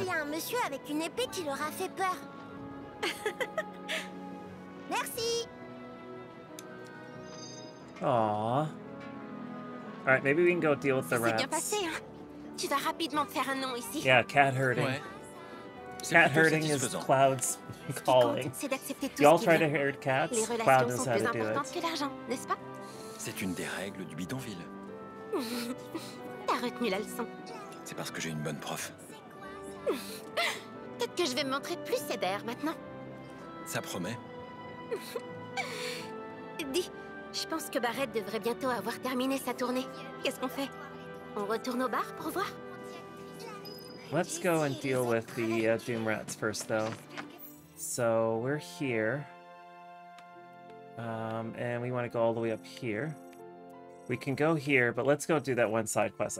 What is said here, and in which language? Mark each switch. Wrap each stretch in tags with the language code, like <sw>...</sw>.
<fr>Il y a un monsieur avec une épée qui leur a fait peur. Merci. Aww.</fr> <en>All right, maybe we can go deal with the rats.</en> <fr>C'est bien passé, hein? Tu vas rapidement te faire un nom ici.</fr> <en>Yeah, cat herding.</en> <fr>Ouais.</fr> <en>Cat herding is Cloud's calling.</en> <fr>C'est d'accepter tout.</fr> <en>Y'all try to herd cats.</en> <fr>Les relations sont plus importantes que l'argent, n'est-ce pas? C'est une des règles du bidonville. T'as retenu la leçon. C'est parce que j'ai une bonne prof. Peut-être que je vais me montrer plus sévère maintenant. Ça promet. Dis, je pense que Barrett devrait bientôt avoir terminé sa tournée. Qu'est-ce qu'on fait? On retourne au bar pour voir?</fr> <en>Let's go and deal with the Doom Rats first, though. So, we're here. And we want to go all the way up here. We can go here, but let's go do that one side quest.</en>